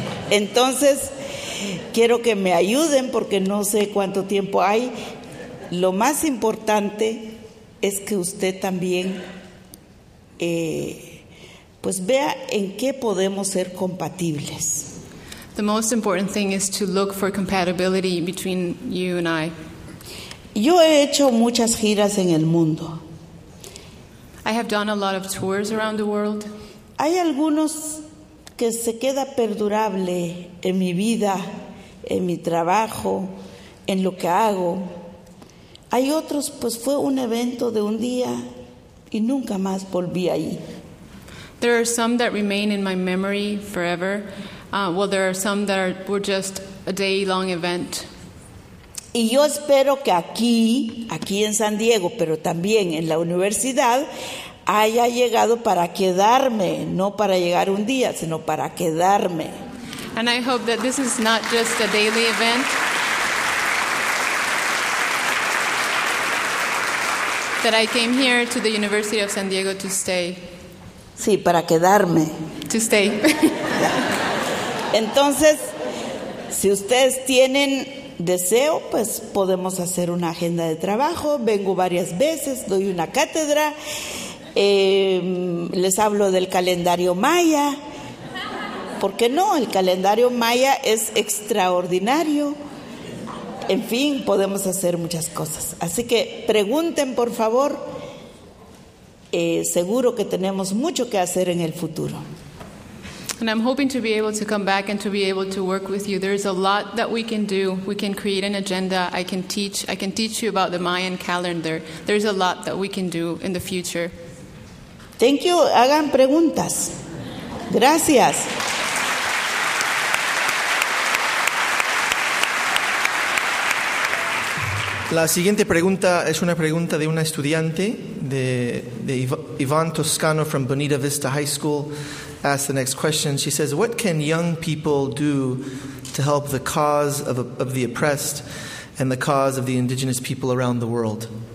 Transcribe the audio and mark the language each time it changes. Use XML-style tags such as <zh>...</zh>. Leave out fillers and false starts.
<es>Entonces, quiero que me ayuden porque no sé cuánto tiempo hay. Lo más importante es que usted también pues vea en qué podemos ser compatibles.</es> <en>The most important thing is to look for compatibility between you and I.</en> <es>Yo he hecho muchas giras en el mundo.</es> <en>I have done a lot of tours around the world.</en> <es>Hay algunos que se queda perdurable en mi vida, en mi trabajo, en lo que hago. Hay otros, pues fue un evento de un día y nunca más volví ahí.</es> <en>There are some that remain in my memory forever. Well, there are some that were just a day-long event.</en> <es>Y yo espero que aquí en San Diego, pero también en la universidad, haya llegado para quedarme, no para llegar un día, sino para quedarme.</es> <en>And I hope that this is not just a daily event. That I came here to the University of San Diego to stay.</en> <es>Sí, para quedarme.</es> <en>To stay.</en> <es>Entonces, si ustedes tienen deseo, pues podemos hacer una agenda de trabajo. Vengo varias veces, doy una cátedra. Les hablo del calendario maya. ¿Por qué no? El calendario maya es extraordinario. En fin, podemos hacer muchas cosas. Así que pregunten, por favor. Seguro que tenemos mucho que hacer en el futuro.</es> <en>And I'm hoping to be able to come back and to be able to work with you. There's a lot that we can do. We can create an agenda. I can teach you about the Mayan calendar. There's a lot that we can do in the future. Thank you.</en> <es>Hagan preguntas. Gracias. La siguiente pregunta es una pregunta de una estudiante de Ivan Toscano from Bonita Vista High School.</es> <en>Asks the next question. She says, "What can young people do to help the cause of the oppressed and the cause of the indigenous people around the world?"</en>